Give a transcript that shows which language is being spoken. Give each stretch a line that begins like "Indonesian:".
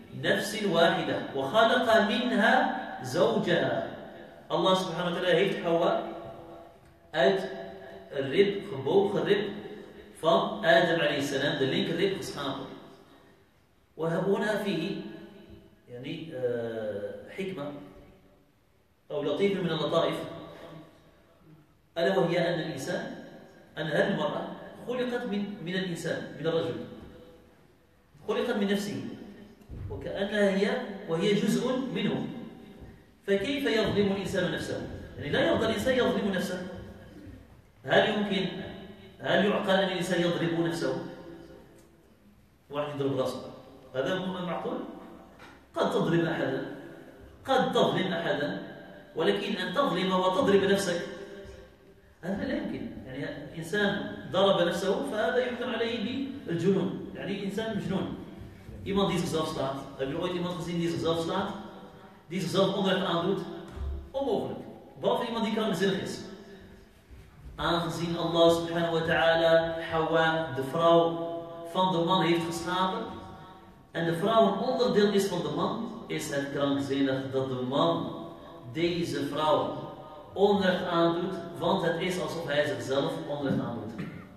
Arabic: نفس واحدة وخلق منها زوجها.
Dutch: الله سبحانه وتعالى heeft حواء uit rib, gebogen rib van Adam عليه السلام, de linker rib geschapen.
Arabic: وهبونا فيه يعني حكمة أو لطيفة من اللطائف ألا وهي أن الإنسان, أن هذه المرأة خلقت من الإنسان, من الرجل, خلقت من نفسه وكأنها هي وهي جزء منه, فكيف يظلم الإنسان نفسه؟ يعني لا يرضى الإنسان يظلم نفسه. هل يمكن, هل يعقل أن الإنسان يضرب نفسه؟ واحد يضرب راسه, هذا معقول؟ قد تظلم أحدا, قد تظلم أحدا, ولكن أن تظلم وتضرب نفسك هذا لا يمكن. يعني إنسان ضرب نفسه فهذا يحكم عليه بالجنون, يعني إنسان مجنون.
Dutch: Iemand die zichzelf slaat, heb je ooit iemand gezien die zichzelf slaat? Die zichzelf onrecht aandoet? Onmogelijk. Behalve iemand die krankzinnig is. Aangezien Allah subhanahu wa ta'ala Hawa, de vrouw van de man, heeft geschapen en de vrouw een onderdeel is van de man, is het krankzinnig dat de man deze vrouw onrecht aandoet, want het is alsof hij zichzelf onrecht aandoet.